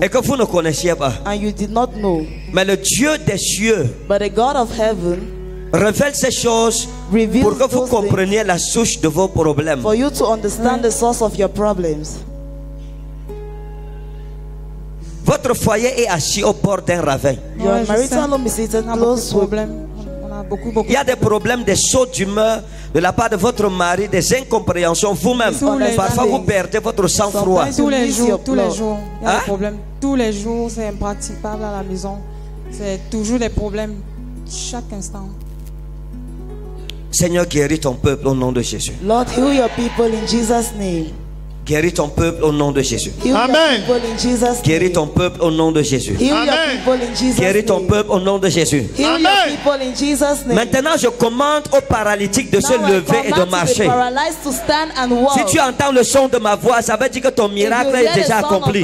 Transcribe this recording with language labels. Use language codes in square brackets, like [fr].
[fr] et que vous ne connaissiez pas. [en] And you did not know. [fr] Mais le Dieu des cieux [en] But the God of heaven [fr] révèle ces choses [en] reveals [fr] pour que vous compreniez la source de vos problèmes. [en] For you to understand the source of your problems. [fr] Votre foyer est assis au bord d'un ravin. [en] Your marital home is seated close to [fr] Beaucoup, beaucoup. Il y a des problèmes, des sauts d'humeur de la part de votre mari, des incompréhensions vous-même. Parfois, vous perdez votre sang-froid. Tous les jours. Il y a des problèmes. Tous les jours, c'est impraticable à la maison. C'est toujours des problèmes, chaque instant. Seigneur, guéris ton peuple au nom de Jésus. [en] Lord, heal your people in Jesus' name. [fr] Guéris ton peuple au nom de Jésus. Amen. Guéris ton peuple au nom de Jésus. Amen. Guéris ton peuple au nom de Jésus. Amen. Maintenant, je commande aux paralytiques de se lever et de marcher. Si tu entends le son de ma voix, ça veut dire que ton miracle est déjà accompli.